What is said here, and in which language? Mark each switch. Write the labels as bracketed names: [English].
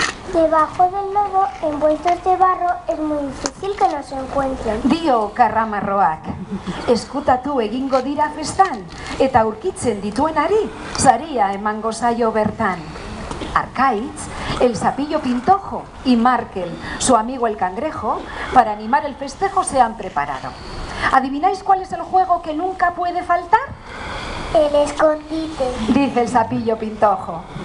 [Spanish] Debajo del lodo, envueltos de barro, es muy difícil que nos encuentren. [Basque] Dio karramarroak. Eskutatu egingo dira festan, eta aurkitzen dituenari, saria emango zaio bertan. [Spanish] Arkaitz, el sapillo pintojo y Markel, su amigo el cangrejo, para animar el festejo se han preparado. ¿Adivináis cuál es el juego que nunca puede faltar? El escondite. Dice el sapillo pintojo.